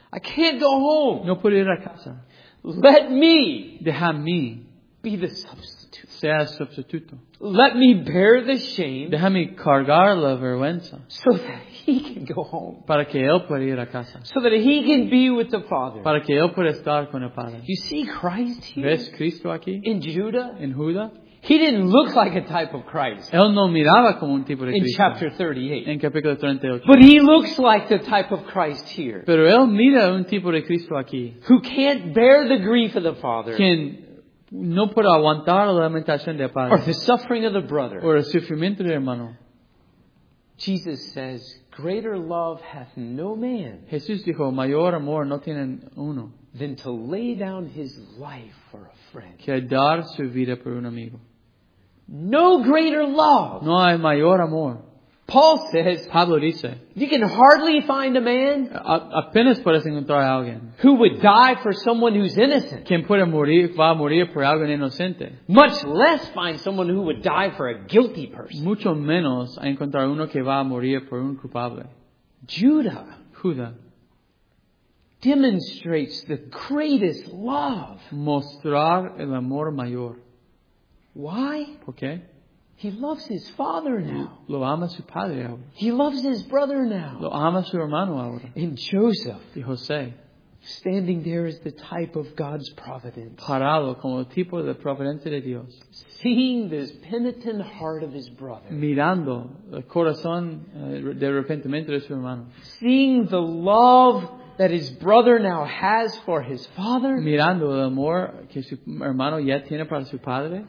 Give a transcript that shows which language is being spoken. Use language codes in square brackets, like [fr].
[en] I can't go home. [es] No puedo ir a casa. [en] Let me. [es] Déjame. [en] Be the substitute. [es] Sea substituto. [en] Let me bear the shame. [es] Déjame cargar la vergüenza. [en] So that he can go home. [es] Para que él pueda ir a casa. [en] So that he can be with the Father. [es] Para que él pueda estar con el Padre. [en] You see Christ here? [es] ¿Ves Cristo aquí? [en] In Judah? [es] En Judá? [en] He didn't look like a type of Christ. [es] Él no miraba como un tipo de Cristo. [en] In chapter 38. [es] En capítulo 38. [en] But he looks like the type of Christ here. [es] Pero él mira un tipo de Cristo aquí. [en] Who can't bear the grief of the Father. [es] Quien no puedo aguantar la lamentación del Padre. [en] Or the suffering of the brother. [es] O el sufrimiento del hermano. [en] Jesus says, greater love hath no man. [es] Jesús dijo, mayor amor no tiene uno. [en] Than to lay down his life for a friend. [es] Que dar su vida por un amigo. [en] No greater love. [es] No hay mayor amor. [en] Paul says, [es] Pablo dice, [en] you can hardly find a man [es] apenas puedes encontrar a alguien [en] who would die for someone who's innocent. [es] Quien puede morir, va a morir por alguien inocente. [en] Much less find someone who would die for a guilty person. [es] Mucho menos a encontrar uno que va a morir por un culpable. [en] Judah. [es] Judah. [en] Demonstrates the greatest love. [es] Mostrar el amor mayor. [en] Why? [es] ¿Por qué? [en] He loves his father now. [es] Lo ama su padre ahora. [en] He loves his brother now. [es] Lo ama su hermano ahora. [en] In Joseph. [es] Y José. [en] Standing there is the type of God's providence. [es] Parado como tipo de providencia de Dios. [en] Seeing this penitent heart of his brother. [es] Mirando el corazón de arrepentimiento de su hermano. [en] Seeing the love that his brother now has for his father. [es] Mirando el amor que su hermano ya tiene para su padre.